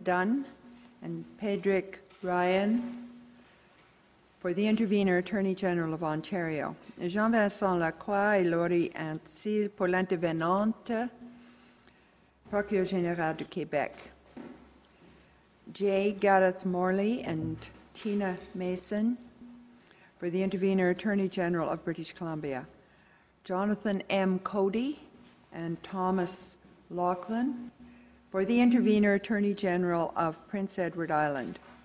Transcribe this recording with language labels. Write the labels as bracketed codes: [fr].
[en] Dunn and Patrick Ryan for the intervener, Attorney General of Ontario. [fr] Jean-Vincent Lacroix et Laurie Antil pour l'intervenante, Procureur Général du Québec. [en] J. Gareth Morley and Tina Mason for the intervener, Attorney General of British Columbia. Jonathan M. Cody and Thomas Laughlin for the intervener, Attorney General of Prince Edward Island.